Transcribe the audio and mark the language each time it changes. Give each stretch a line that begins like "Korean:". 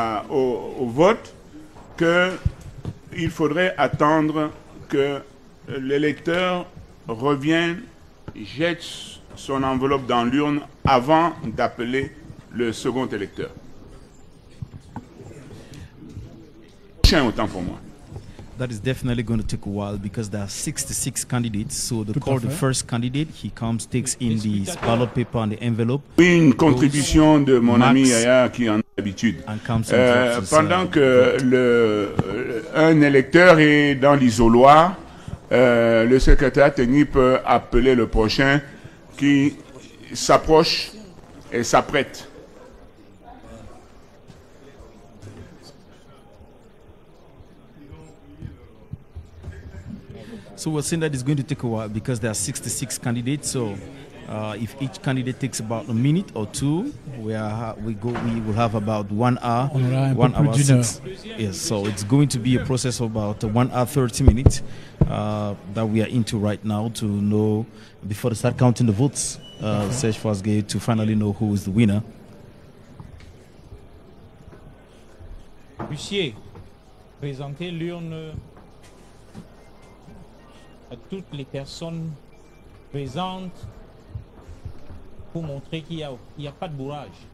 French: au vote que il faudrait attendre que l'électeur revienne, jette son enveloppe dans l'urne avant d'appeler le second électeur. Chien autant pour moi.
English: That is definitely going to take a while because there are 66 candidates. So the call the first candidate, he comes, takes in the ballot paper and the envelope.
French: Oui, une contribution de mon ami Yaya qui en a l'habitude. Pendant que un électeur est dans l'isoloir, le secrétaire technique peut appeler le prochain qui s'approche et s'apprête.
English: So we're saying that it's going to take a while because there are 66 candidates. So If each candidate takes about a minute or two, we will have about 1 hour. Yes, so it's going to be a process of about 1 hour 30 minutes that we are into right now to know before they start counting the votes, Serge Fasgay, to finally know who is the winner.
French: Bussier, présentez l'urne à toutes les personnes présentes pour montrer qu'il n'y a pas de bourrage.